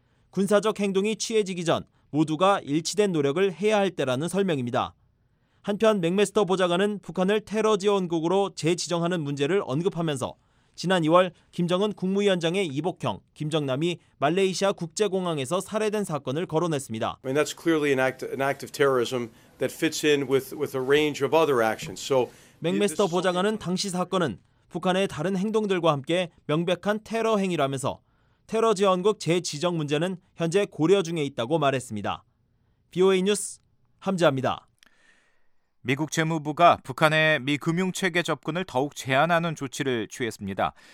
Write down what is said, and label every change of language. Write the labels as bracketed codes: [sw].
[ko] 군사적 행동이 취해지기 전 모두가 일치된 노력을 해야 할 때라는 설명입니다. 한편 맥메스터 보좌관은 북한을 테러 지원국으로 재지정하는 문제를 언급하면서 지난 2월 김정은 국무위원장의 이복형, 김정남이 말레이시아 국제공항에서 살해된 사건을 거론했습니다. [en] I mean, that's clearly an act of terrorism that fits in with a range of other actions. So [ko] 맥메스터 보좌관은 당시 사건은 북한의 다른 행동들과 함께 명백한 테러 행위라면서 테러 지원국 재지정 문제는 현재 고려 중에 있다고 말했습니다. VOA 뉴스 함지아입니다. 미국 재무부가 북한의 미 금융체계 접근을 더욱 제한하는 조치를 취했습니다.